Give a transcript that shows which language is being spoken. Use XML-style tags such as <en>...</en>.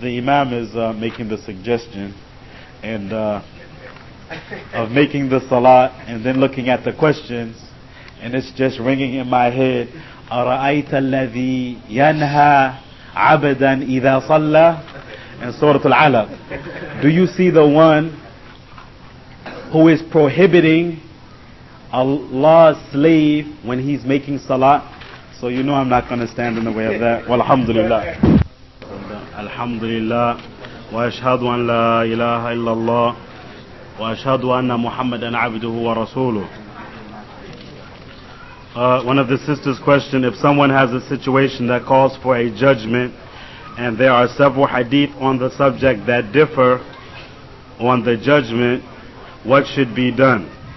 <en>The Imam is making the suggestion, and of making the salat and then looking at the questions, and it's just ringing in my head,</en> <ar>أَرَأَيْتَ الَّذِي يَنْهَى عَبَدًا إِذَا صَلَّى</ar> <en>and Surah Al-Alaq. Do you see the one who is prohibiting Allah's slave when he's making salat? So you know I'm not going to stand in the way of that.</en> <ar>Walhamdulillah. Alhamdulillah. وأشهد أن لا إله إلا الله وأشهد أن محمدا عبده ورسوله.</ar> <en>One of the sisters questioned, if someone has a situation that calls for a judgment and there are several hadith on the subject that differ on the judgment, what should be done?</en>